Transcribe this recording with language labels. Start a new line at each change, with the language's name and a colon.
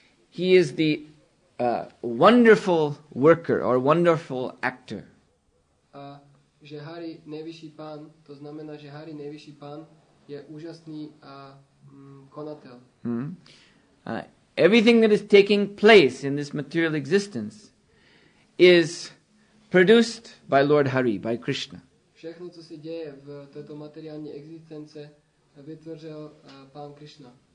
English: He is the wonderful worker or wonderful actor.
Czech: Že Hari nejvyšší pán, to znamená, že Hari nejvyšší pán je úžasný konatel.
English: Everything that is taking place in this material existence is produced by Lord Hari, by Krishna.
Czech: Všechno, co se děje v této materiální existence, vytvořil pán Krishna.